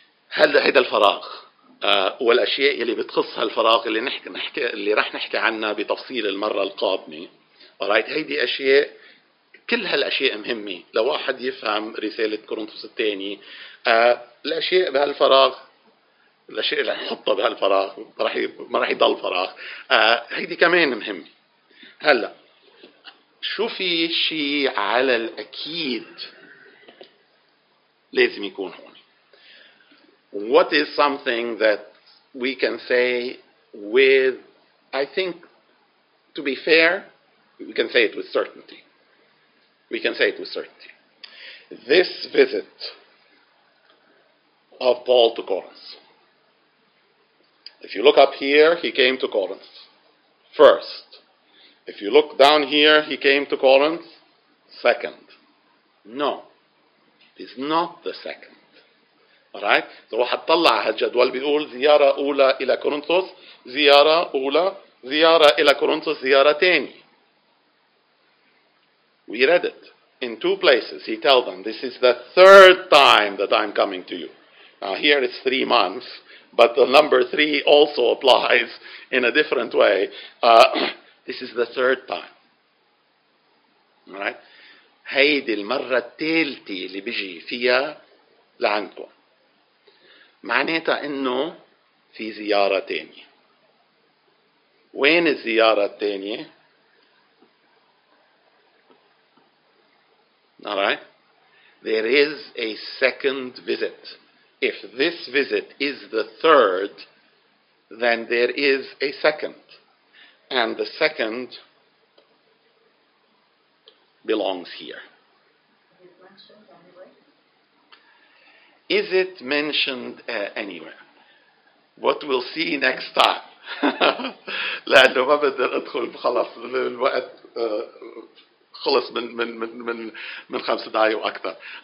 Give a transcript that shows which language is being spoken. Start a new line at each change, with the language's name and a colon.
Arabic: هل هذا الفراغ والأشياء اللي بتخص هالفراغ اللي رح نحكي عنها بتفصيل المرة القادمة. All right, هذه أشياء كل هالأشياء مهمة لو واحد يفهم رسالة كورنثوس الثاني. الأشياء بهالفراغ الأشياء اللي حطها بهالفراغ ما رح يضل فراغ هيدي كمان مهم. هلأ شو في شيء على الأكيد لازم يكون هون؟
English: What is something that we can say with, I think, to be fair, we can say it with certainty. We can say it with certainty. This visit of Paul to Corinth. If you look up here, he came to Corinth first. If you look down here, he came to Corinth second. No, it's not the second. All right?
Arabic: So, واحد طلع هالجدول بيقول زيارة أولى إلى كورنثوس، زيارة أولى، زيارة إلى كورنثوس، زيارة تاني.
English: We read it. In two places, he tells them, this is the third time that I'm coming to you. Now, here it's 3 months. But the number 3 also applies in a different way. this is the third time. Alright?
Arabic: هيدي المرة الثالثة اللي بيجي فيها لعندكم. معناتها إنه في زيارة تانية. وين الزيارة التانية؟ Alright?
English: There is a second visit. If this visit is the third, then there is a second. And the second belongs here. Is it mentioned anywhere? What we'll see next time.
Arabic: لأنه ما بقدر أدخل بخلص الوقت خلص من 5 دقايق وأكثر.